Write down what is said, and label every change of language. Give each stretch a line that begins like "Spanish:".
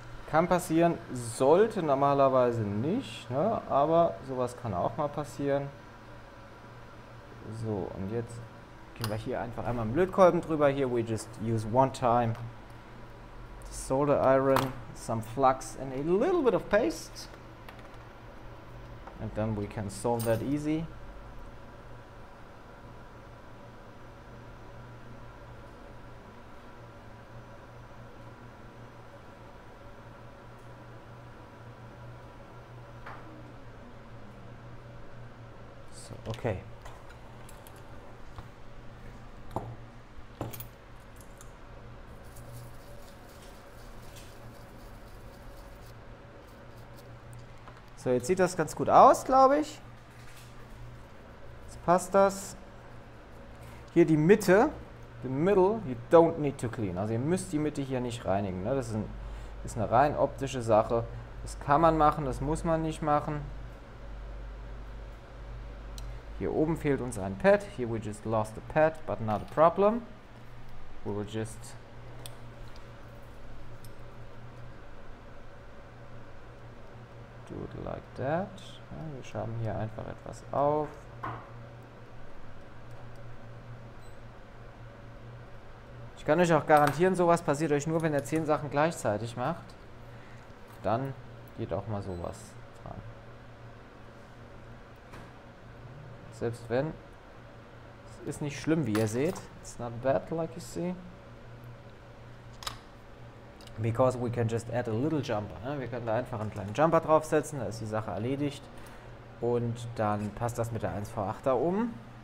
German: Kann passieren, sollte normalerweise nicht, ne? Aber sowas kann auch mal passieren. So, und jetzt gehen wir hier einfach einmal im Lötkolben drüber.
English: Here we just use one time the solder iron, some flux and a little bit of paste. And then we can solve that easy. So, okay.
German: So, jetzt sieht das ganz gut aus, glaube ich. Jetzt passt das. Hier die Mitte,
English: the middle, you don't need to clean.
German: Also ihr müsst die Mitte hier nicht reinigen. Ne? Das ist eine rein optische Sache. Das kann man machen, das muss man nicht machen. Hier oben fehlt uns ein Pad.
English: Here we just lost a pad, but not a problem. We will just... like that.
German: Ja, wir schaben hier einfach etwas auf. Ich kann euch auch garantieren, sowas passiert euch nur, wenn ihr 10 Sachen gleichzeitig macht. Dann geht auch mal sowas dran. Selbst wenn. Es ist nicht schlimm, wie ihr seht.
English: It's not bad, like you see. Because we can just add a little jumper.
German: Ne? Wir können da einfach einen kleinen Jumper draufsetzen, da ist die Sache erledigt. Und dann passt das mit der 1V8 da oben.